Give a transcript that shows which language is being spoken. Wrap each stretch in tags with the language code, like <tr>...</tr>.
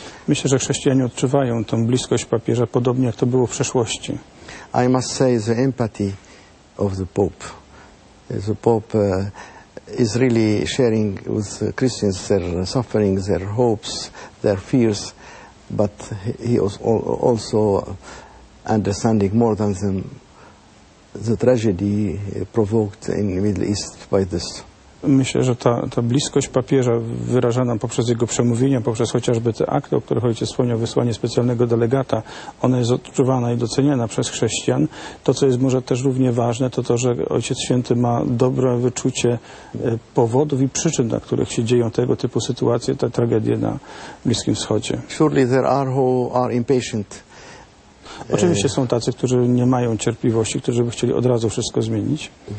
<pl>Myślę, że chrześcijanie odczuwają tą bliskość papieża, podobnie jak to było w przeszłości.</pl> <en>I must say the empathy of the Pope. The Pope is really sharing with the Christians their suffering, their hopes, their fears. But he was also understanding more than them the tragedy provoked in the Middle East by this.</en> <pl>Myślę, że ta bliskość papieża wyrażana poprzez jego przemówienia, poprzez chociażby te akty, o których ojciec wspomniał, wysłanie specjalnego delegata, ona jest odczuwana i doceniana przez chrześcijan. To, co jest może też równie ważne, to to, że Ojciec Święty ma dobre wyczucie powodów i przyczyn, na których się dzieją tego typu sytuacje, te tragedie na Bliskim Wschodzie.</pl> <en>Surely there are who are impatient.</en> <pl>Oczywiście są tacy, którzy nie mają cierpliwości, którzy by chcieli od razu wszystko zmienić.</pl>